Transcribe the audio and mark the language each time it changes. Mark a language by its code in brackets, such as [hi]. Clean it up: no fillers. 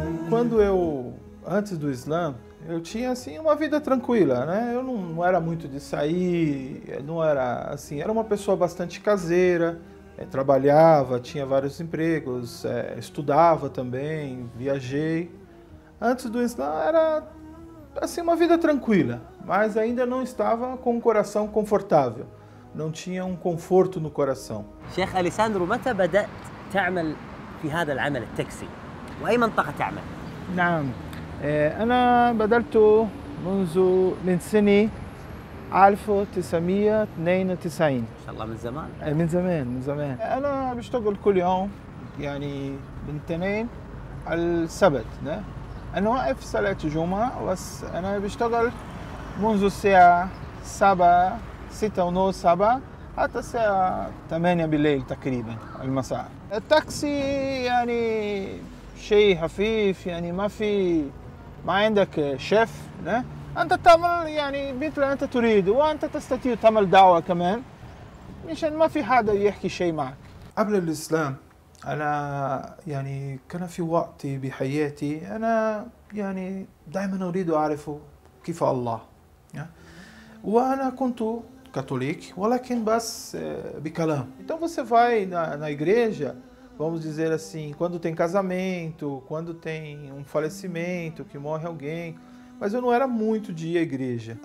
[pt] quando eu antes do islã eu tinha assim uma vida tranquila né eu não era muito de sair não era assim era uma pessoa bastante caseira trabalhava, tinha vários empregos, estudava também, viajei. Antes do Islã era assim uma vida tranquila, mas ainda não estava com um coração confortável. Não tinha um conforto no coração. [ar] Sheikh Alessandro, متى بدأت تعمل في هذا العمل التاكسي؟ وأي منطقة تعمل؟ نعم. أنا بدأت من سنة 1992 ما شاء الله من زمان من زمان من زمان انا بشتغل كل يوم يعني من اثنين السبت ده انا واقف صلاة الجمعة بس انا بشتغل منذ الساعة 7:30 حتى الساعة 8 بالليل تقريبا المساء التاكسي يعني شيء خفيف يعني ما عندك شيف ده أنت تعمل يعني مثل أنت تريد وأنت تستطيع تعمل دعوة كمان مشان ما في حدا يحكي شيء معك قبل الإسلام أنا يعني كان في وقتي بحياتي أنا يعني دائما أريد أعرف كيف الله وأنا كنت كاثوليك ولكن بس بكلام [pt] então você vai na igreja vamos dizer assim quando tem casamento quando tem falecimento que morre alguém mas eu não era muito de ir à igreja.